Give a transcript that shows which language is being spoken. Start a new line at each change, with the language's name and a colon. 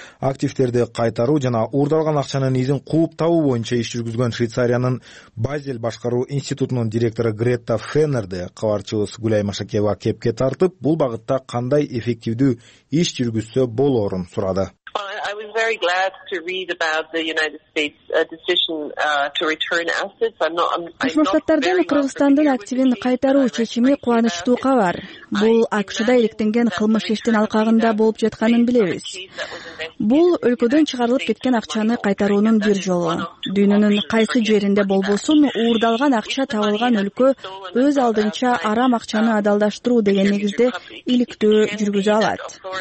Kyrgyz: Активтерди кайтаруу жана уурдалган акчанын изин кууп табуу боюнча иш жүргүзгөн Швейцариянын Базель башкаруу институтунун директору Гретта Феннерди кабарчыбыз Гүлай Машакеева кепке тартып, бул багытта кандай эффективдүү иш жүргүзсө болорун сурады.
English: Very glad to read about the United States decision to return assets.
Kyrgyz: Кыргызстандын Кыргызстандын активин кайтаруу чечими кубанычтуу кабар. Бул АКШда иликтенген кылмыш иштин алкагында болуп жатканын билебиз. Бул өлкөдөн чыгарылып кеткен акчаны кайтаруунун бир жолу. Дүйнөнүн кайсы жеринде болбосун, уурдалган акча табылган өлкө өз алдынча арам акчаны адалдаштыруу деген негизде иликтөө жүргүзө алат.